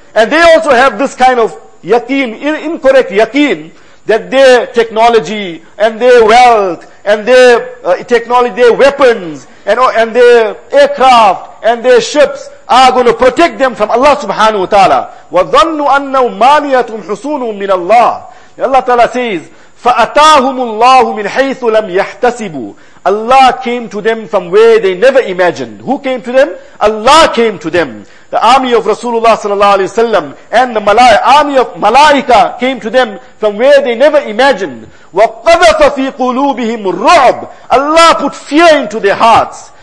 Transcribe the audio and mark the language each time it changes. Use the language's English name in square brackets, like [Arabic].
[English] And they also have this kind of yaqeen, incorrect yaqeen, that their technology and their wealth and their technology, their weapons and their aircraft and their ships are going to protect them from Allah subhanahu wa ta'ala. [Arabic] وَظَنُّوا أَنَّهُمْ مَانِيَةٌ حُسُونٌ مِّنَ اللَّهِ. Allah Ta'ala says, فَأَتَاهُمُ اللَّهُ مِنْ حَيْثُ لَمْ يَحْتَسِبُوا. [English] Allah came to them from where they never imagined. Who came to them? Allah came to them. The army of Rasulullah sallallahu alayhi wa sallam and the army of Malaika came to them from where they never imagined. [Arabic] وَقَذَفَ فِي قُلُوبِهِمُ الرُّعْبِ. [English] Allah put fear into their hearts.